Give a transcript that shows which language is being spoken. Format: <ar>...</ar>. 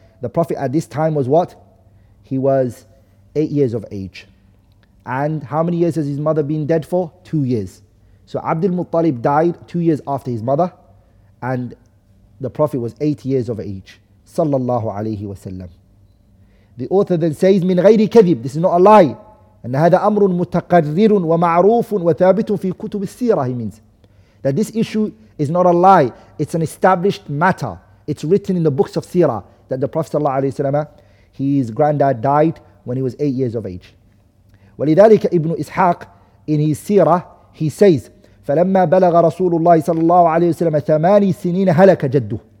<en>The Prophet at this time was what? He was 8 years of age. And how many years has his mother been dead for? 2 years. So Abdul Muttalib died 2 years after his mother, and the Prophet was 8 years of age sallallahu alayhi wasallam. The author then says,</en> <ar>مِنْ غَيْرِ كَذِبِ.</ar> <en>This is not a lie.</en> <ar>And هذا أمر متقرر ومعروف وثابت في كتب السيرة.</ar> <en>He means that this issue is not a lie. It's an established matter. It's written in the books of Sira that the Prophet صلى الله عليه وسلم, his granddad died when he was 8 years of age.</en> <ar>ولذلك ابن إسحاق</ar> <en>in his Sira, he says,</en> <ar>فلما بلغ رسول الله صلى الله عليه وسلم ثماني سنين هلك جده.</ar>